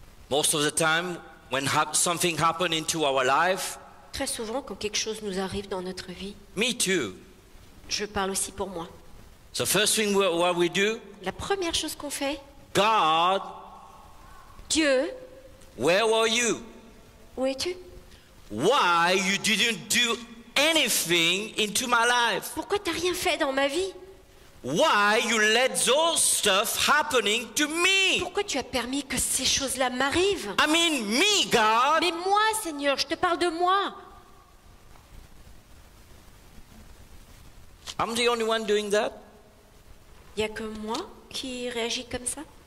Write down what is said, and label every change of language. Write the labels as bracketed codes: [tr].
[en] Most of the time, when something happens into our life, [fr] très souvent, quand quelque chose nous arrive dans notre vie, [en] me too. [fr] Je parle aussi pour moi. [en] The first thing what we do, [fr] la première chose qu'on fait, [en] God, [fr] Dieu, [en] where were you? [fr] Où es-tu? [en] Why you didn't do anything into my life? [fr] Pourquoi t'as rien fait dans ma vie? [en] Why you let those stuff happening to me? [fr] Pourquoi tu as permis que ces choses-là m'arrivent? [en] I mean me, God. [fr] Mais moi, Seigneur, je te parle de moi. [en] I'm the only one doing that. [fr] Il n'y a que moi qui réagis comme ça.